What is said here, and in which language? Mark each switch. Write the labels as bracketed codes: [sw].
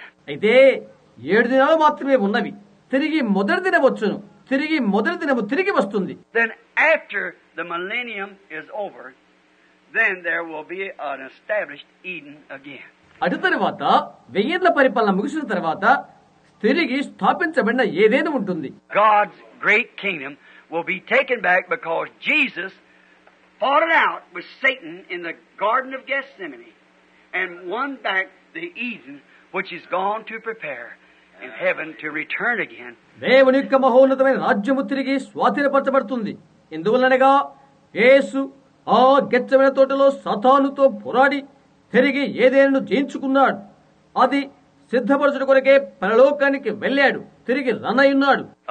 [te] అయితే ఏడు దినాలు మాత్రమే ఉన్నవి, తిరిగి మొదటి దినం వచ్చును, తిరిగి మొదటి దినము తిరిగి వస్తుంది. [en] Then after the millennium is over, then there will be an established Eden again. [te] అటు తర్వాత వెయ్యేళ్ల పరిపాలన ముగిసిన తర్వాత తిరిగి స్థాపించబడిన ఏదేదో ఉంటుంది. [en] God's great kingdom will be taken back because Jesus fought it out with Satan in the Garden of Gethsemane and won back the Eden which is gone to prepare in heaven to return again. [te] దేవుని యొక్క మహోన్నతమైన రాజ్యము తిరిగి స్వాధీనపరచబడుతుంది. ఎందువల్లనగా యేసు ఆ గెత్సెమనే తోటలో సతానుతో పోరాడి తిరిగి ఏదేను జయించుకున్నాడు. అది సిద్ధపరచడం కొరకే పరలోకానికి వెళ్ళాడు, తిరిగి రన్ అయ్యున్నాడు.